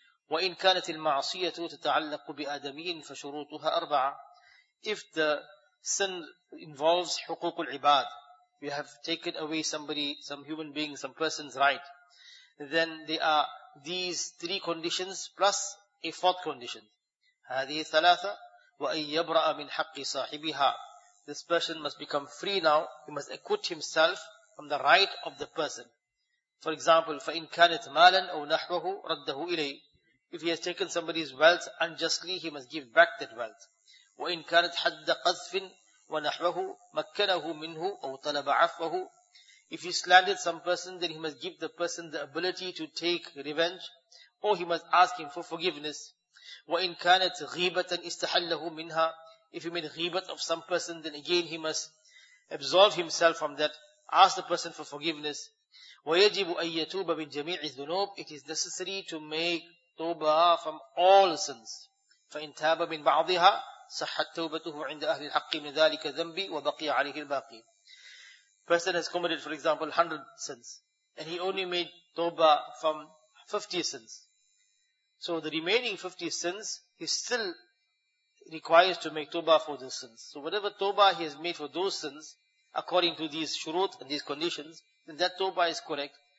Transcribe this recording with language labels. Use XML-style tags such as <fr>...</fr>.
<ar>وَإِنْ كَانَتِ الْمَعْصِيَةُ تَتَعَلَّقُ بِآدَمِينَ فَشُرُوطُهَا أَرْبَعَ</ar> <en>If the sin involves حُقُوقُ الْعِبَادِ, we have taken away somebody, some human being, some person's right, then there are these three conditions plus a fourth condition.</en> <ar>هذه ثلاثة وأن يبرأ من حق صاحبها.</ar> <en>This person must become free now. He must acquit himself from the right of the person. For example,</en> <ar>فإن كانت مالا أو نحوه رده إلي.</ar> <en>If he has taken somebody's wealth unjustly, he must give back that wealth.</en> <ar>وإن كانت حد قذف ونحوه مكنه منه أو طلب عفوه.</ar> <en>If he slandered some person, then he must give the person the ability to take revenge. Or he must ask him for forgiveness.</en> <ar>وَإِنْ كَانَتْ غِيبَةً إِسْتَحَلَّهُ مِنْهَا</ar> <en>If he made ghibat of some person, then again he must absolve himself from that. Ask the person for forgiveness.</en> <ar>وَيَجِبُ أَنْ يَتُوبَ مِنْ جَمِيعِ الذُّنُوبِ</ar> <en>It is necessary to make tawbah from all sins.</en> <ar>فَإِنْ تَابَ مِنْ بَعْضِهَا صَحَّتْ تَوْبَتُهُ عِنْدَ أَهْلِ الْحَقِّ مِنْ ذَلِكَ ذَنْبِي وَبَقِيَ عَلَيْهِ الْبَاقِي</ar> <en>Person has committed, for example, 100 sins. And he only made tawbah from 50 sins. So the remaining 50 sins, he still requires to make tawbah for those sins. So whatever tawbah he has made for those sins, according to these shurut and these conditions, then that tawbah is correct.</en>